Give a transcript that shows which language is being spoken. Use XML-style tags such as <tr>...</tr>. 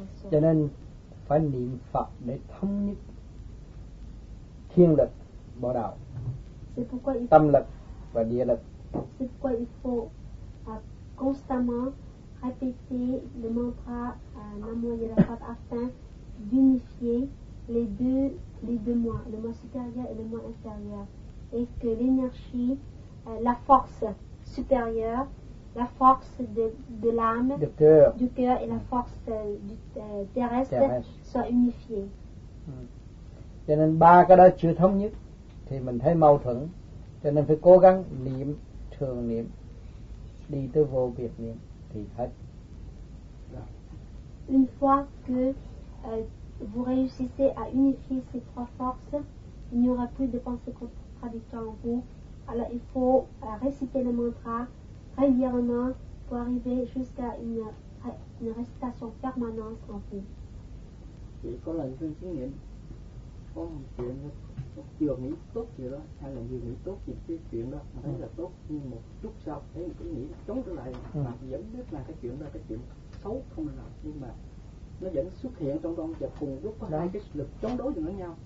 <vi>Cho nên phải niệm Phật để thống nhất thiên lực, bộ đạo, tâm lực và địa lực.</vi> <fr>C'est pourquoi il faut constamment répéter le mantra Namo Yadapad afin d'unifier les deux moi, le moi supérieur et le moi inférieur, et que l'énergie, la force supérieure, la force de l'âme, du cœur et la force terrestre soient unifiées.</fr> <vi>Cho nên ba cái đó chưa thống nhất thì mình thấy mâu thuẫn, cho nên phải cố gắng niệm, thường niệm, đi tới vô biệt niệm thì hết.</vi> <fr>Une fois que vous réussissez à unifier ces trois forces, il n'y aura plus de pensées contradictoires en vous. Alors il faut réciter le mantra régulièrement pour arriver jusqu'à une récitation permanente en vous. Et quand la</fr> <vi>có một chuyện nó vừa nghĩ tốt gì đó hay là vừa nghĩ tốt gì cái chuyện đó thấy là tốt, nhưng một chút sau thấy một cái nghĩ chống trở lại mà vẫn biết là cái chuyện đó cái chuyện xấu không làm, nhưng mà nó vẫn xuất hiện trong con và cùng lúc có hai cái lực chống đối với nhau</vi>